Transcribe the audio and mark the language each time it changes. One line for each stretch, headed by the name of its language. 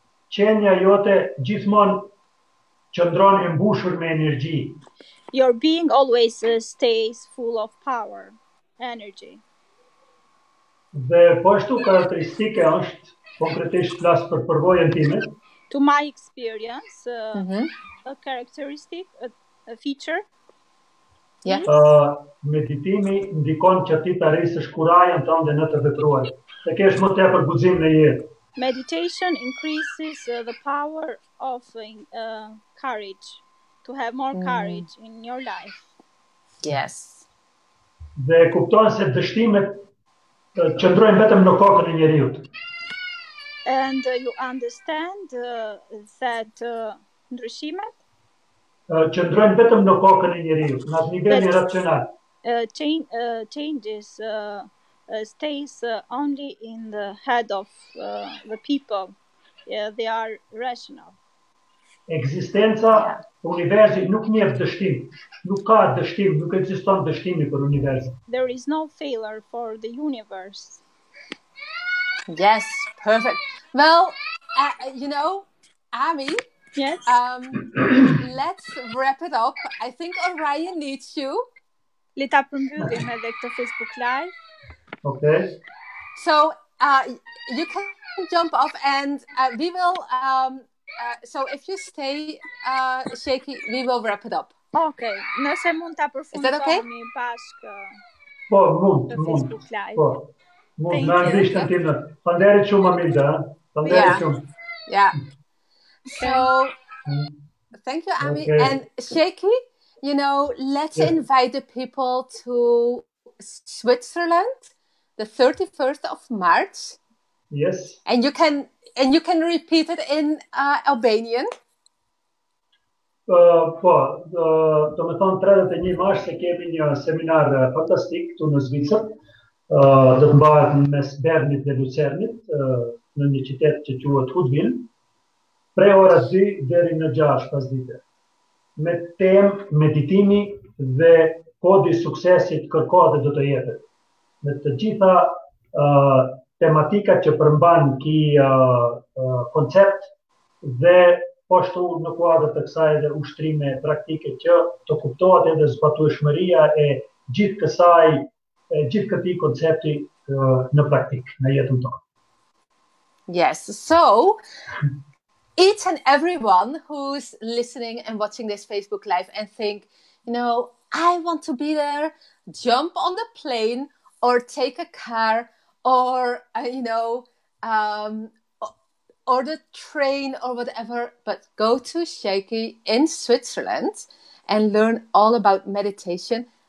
Albanian: Qenia jote gjithmonë qëndron e mbushur me energji.
English: Your being always stays full of power, energy.
Albanian: Dhe po ashtu karakteristike është konkretisht flas për përvojën time.
English: To my experience, a characteristic, a feature. Yes.
Albanian: Meditimi ndikon që ti të arrisësh kurajën tënde në të vetruar. Të kesh më tepër guxim në jetë.
English: Meditation increases the power of courage, to have more courage in your life. Yes.
Albanian: Dhe kupton se dështimet qëndrojnë vetëm në kokën e njeriu.
English: And you understand that
Albanian: ndryshimet qëndrojnë vetëm në kokën e njeriu, në atë nivel racional.
English: Changes stays only in the head of the people. Yeah, they are rational.
Albanian: Ekzistenca universi nuk njeh dështim. Nuk ka dështim, nuk ekziston dështimi për universin.
English: There is no failure for the universe. Yes, perfect. Well, you know, Ami, yes. let's wrap it up. I think Orion needs you.
Albanian: Le ta përmbyllim edhe këtë Facebook Live.
English: Okay. So, you can jump off and we will so if you stay Sheki, we will wrap it up. Okay.
Albanian: Nëse mund ta përfundojmë.
English: Is that okay?
Albanian: Bashkë. Po, mund, mund. Facebook Live. Po. Mund, na ndihmësh të ndihmë. Falënderit shumë Amilda, falënderit shumë.
English: Yeah. So, thank you Ami and Sheki, you know, let's invite the people to Switzerland. The 31st of March. Yes. And you can repeat it in Albanian.
Albanian: Po, do të them 31 mars se kemi një seminar fantastik këtu në Zvicër. Do të mbahet mes Bernit dhe Lucernit, në një qytet që quhet Hudwil, prej orës 2 deri në 6 pasdite. Me temë meditimi dhe kodi suksesit kërkohet dhe do të jetë. Me të gjitha tematikat që përmban ki koncept dhe poshtu në kuadrë të kësaj dhe ushtrime praktike që të kuptohet edhe zbatueshmëria e gjithë kësaj, e gjithë këti koncepti në praktik, në jetën tonë.
English: Yes, so each and everyone who's listening and watching this Facebook Live and think, you know, I want to be there, jump on the plane, or take a car, or, you know, or the train, or whatever, but go to Sheki in Switzerland and learn all about meditation.